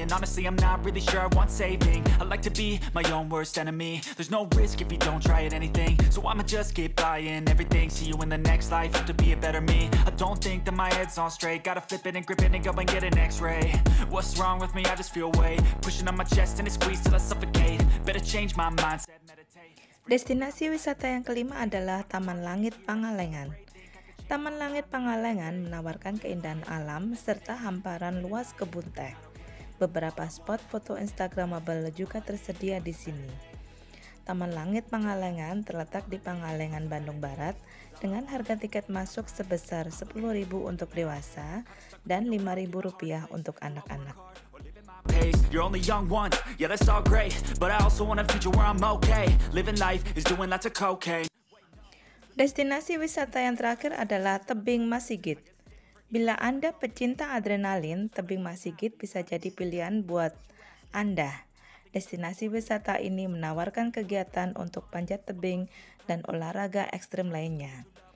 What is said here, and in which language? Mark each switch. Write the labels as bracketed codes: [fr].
[en] And honestly, I'm not really sure I want saving. I like to be my own worst enemy. There's no risk if you don't try at anything. So I'ma just keep buying everything. See you in the next life, have to be a better me. I don't think that my head's on straight. Gotta flip it and grip it and go and get an x-ray. What's wrong with me? I just feel weight pushing on my chest and it squeezes till I suffocate. Better change my mindset, meditate. [id] Destinasi wisata yang kelima adalah Taman Langit Pangalengan. Taman Langit Pangalengan menawarkan keindahan alam serta hamparan luas kebun teh. Beberapa spot foto Instagramable juga tersedia di sini. Taman Langit Pangalengan terletak di Pangalengan, Bandung Barat dengan harga tiket masuk sebesar Rp10.000 untuk dewasa dan Rp5.000 untuk anak-anak. [en] You're only young once, yeah that's all great. But I also want a future where I'm okay. Living life is doing lots of cocaine. [id] Destinasi wisata yang terakhir adalah Tebing Masigit. Bila Anda pecinta adrenalin, Tebing Masigit bisa jadi pilihan buat Anda. Destinasi wisata ini menawarkan kegiatan untuk panjat tebing dan olahraga ekstrim lainnya.